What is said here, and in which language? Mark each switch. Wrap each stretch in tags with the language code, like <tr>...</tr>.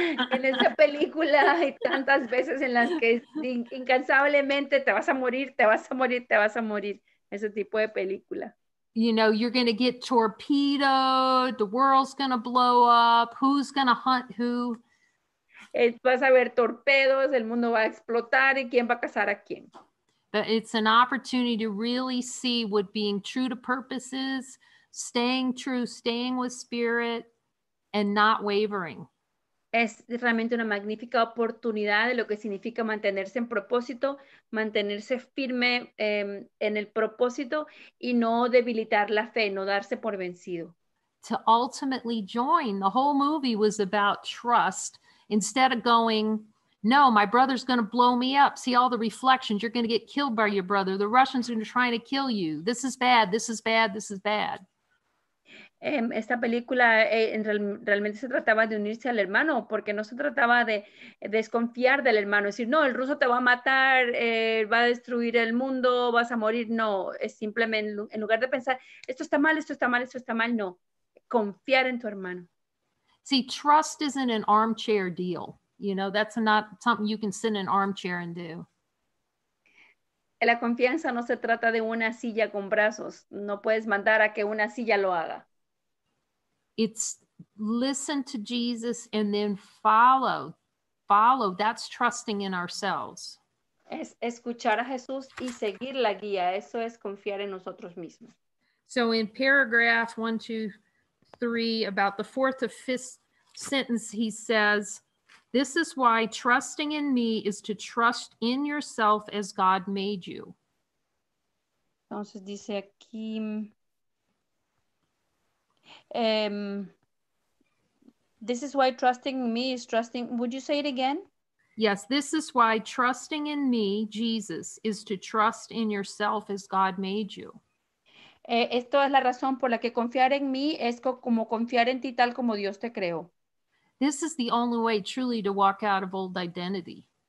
<es>En esa película hay tantas veces en las que incansablemente te vas a morir, te vas a morir, te vas a morir. Ese tipo de película.</es> <en>You know, you're going to get torpedoed, the world's going to blow up, who's going to hunt who.</en> <es>Vas a ver torpedos, el mundo va a explotar y quién va a cazar a quién.</es> <en>But it's an opportunity to really see what being true to purpose is, staying true, staying with spirit, and not wavering.</en> <es>Es realmente una magnífica oportunidad de lo que significa mantenerse en propósito, mantenerse firme en el propósito y no debilitar la fe, no darse por vencido.</es> <en>To ultimately join, the whole movie was about trust. Instead of going, no, my brother's going to blow me up. See all the reflections. You're going to get killed by your brother. The Russians are trying to kill you. This is bad. This is bad. This is bad.</en> <es>Esta película realmente se trataba de unirse al hermano, porque no se trataba de desconfiar del hermano, es decir, no, el ruso te va a matar, va a destruir el mundo, vas a morir. No, es simplemente, en lugar de pensar, esto está mal, esto está mal, esto está mal, no. Confiar en tu hermano.</es> <en>See, trust isn't an armchair deal. You know, that's not something you can sit in an armchair and do.</en> <es>La confianza no se trata de una silla con brazos. No puedes mandar a que una silla lo haga.</es> <en>It's listen to Jesus and then follow. Follow, that's trusting in ourselves.</en> <es>Es escuchar a Jesús y seguir la guía. Eso es confiar en nosotros mismos.</es> <en>So in paragraph 1, 2, 3, about the fourth or fifth sentence, he says, this is why trusting in me is to trust in yourself as God made you.</en> <es>Entonces dice aquí,</es> <en>this is why trusting in me is trusting, would you say it again? Yes, this is why trusting in me, Jesus, is to trust in yourself as God made you.</en> <es>Esto es la razón por la que confiar en mí es como confiar en ti tal como Dios te creó.</es> <en>This is the only way truly to walk out of old identity.</en>